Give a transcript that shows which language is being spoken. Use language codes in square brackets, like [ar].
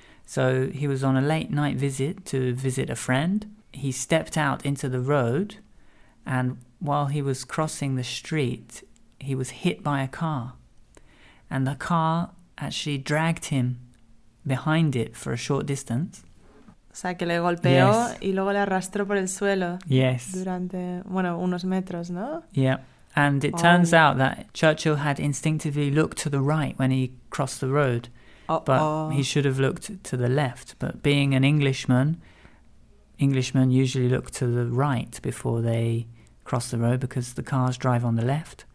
[en] So he was on a late night visit to visit a friend. He stepped out into the road and while he was crossing the street, he was hit by a car. And the car actually dragged him behind it for a short distance. [es] O sea, que le golpeó y luego le arrastró por el suelo durante, bueno, unos metros, ¿no? [en] Yeah, and it turns out that Churchill had instinctively looked to the right when he crossed the road, but he should have looked to the left. But being an Englishman, Englishmen usually look to the right before they cross the road because the cars drive on the left.